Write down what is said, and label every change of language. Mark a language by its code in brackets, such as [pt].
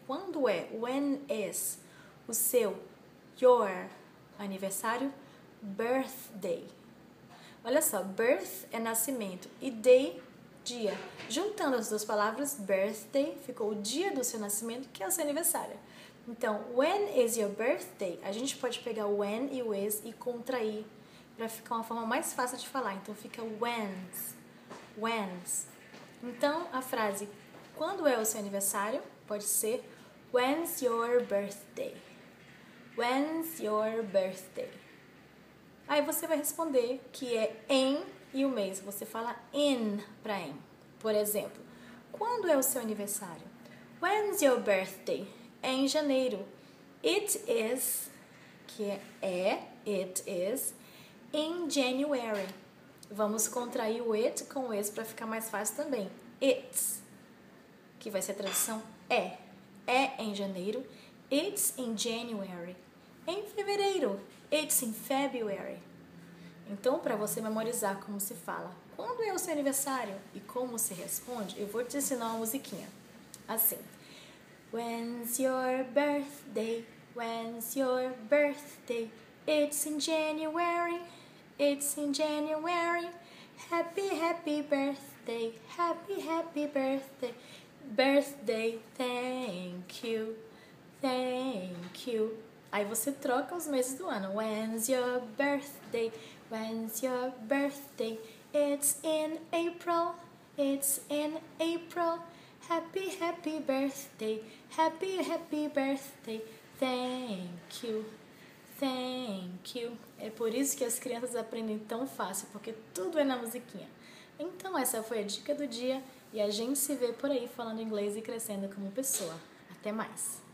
[pt] Quando é, [en] when is, [pt] o seu, your, aniversário, birthday. Olha só, birth é nascimento e day, dia. Juntando as duas palavras, birthday, ficou o dia do seu nascimento, que é o seu aniversário. [en] Então, when is your birthday? [pt] A gente pode pegar o when e o is e contrair para ficar uma forma mais fácil de falar. Então, fica [en] when's, when's. [pt] Então, a frase, quando é o seu aniversário, pode ser [en] when's your birthday? When's your birthday? [pt] Aí você vai responder que é em e o mês. Você fala in para em. Por exemplo, quando é o seu aniversário? [en] When's your birthday? [pt] É em janeiro. [en] It is, [pt] que é, [en] it is, in January. [pt] Vamos contrair o it com o is para ficar mais fácil também. [en] It's, [pt] que vai ser a tradução é. É em janeiro. [en] It's in January. [pt] Em fevereiro. [en] It's in February. Então, para você memorizar como se fala, quando é o seu aniversário e como se responde, eu vou te ensinar uma musiquinha. Assim. When's your birthday? When's your birthday? It's in January. It's in January. Happy, happy birthday. Happy, happy birthday. Birthday, thank you. Thank you. [pt] Aí você troca os meses do ano. [en] When's your birthday? When's your birthday? It's in April. It's in April. Happy, happy birthday, happy, happy birthday, thank you, thank you. [pt] É por isso que as crianças aprendem tão fácil, porque tudo é na musiquinha. Então essa foi a dica do dia e a gente se vê por aí falando inglês e crescendo como pessoa. Até mais!